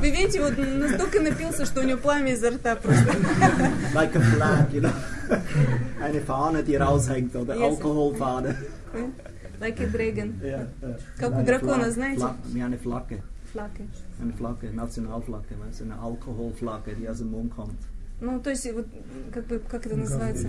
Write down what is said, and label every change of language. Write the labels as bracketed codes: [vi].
[ru] Вы видите, вот настолько напился, что у него пламя изо рта просто. [en] Like a flag, you know. [de] Eine Fahne, die raushängt, oder yes. Alkoholfahne. [en] Like a dragon. Yeah. [ru] Как like у дракона, знаете? [de] Eine Flagge. Flagge. Eine Flagge, Nationalflagge, weißt du, eine Alkoholflagge, die aus dem Mund kommt. [ru] Ну, то есть, вот, как бы, как это называется?